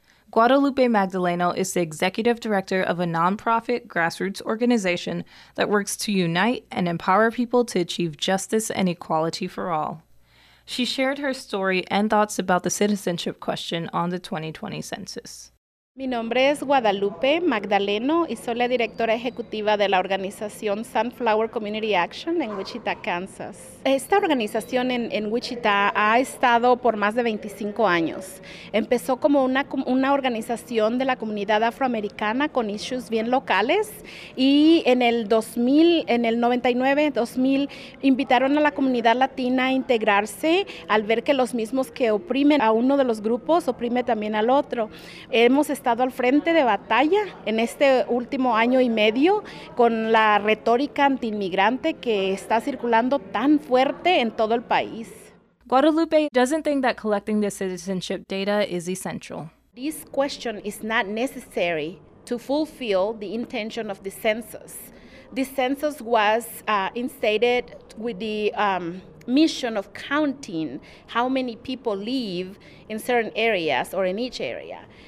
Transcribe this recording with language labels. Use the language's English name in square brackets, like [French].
[English] Guadalupe Magdaleno is the executive director of a nonprofit grassroots organization that works to unite and empower people to achieve justice and equality for all. She shared her story and thoughts about the citizenship question on the 2020 census. [Spanish] Mi nombre es Guadalupe Magdaleno y soy la directora ejecutiva de la organización Sunflower Community Action en Wichita, Kansas. Esta organización en Wichita ha estado por más de 25 años. Empezó como una organización de la comunidad afroamericana con [English] issues [Spanish] bien locales y en el 99, 2000, invitaron a la comunidad latina a integrarse al ver que los mismos que oprimen a uno de los grupos oprime también al otro. Hemos estado al frente de batalla en este último año y medio con la retórica antiinmigrante que está circulando tan fuerte en todo el país. [English] Guadalupe doesn't think that collecting the citizenship data is essential. This question is not necessary to fulfill the intention of the census. The census was instated with the mission of counting how many people live in certain areas or in each area.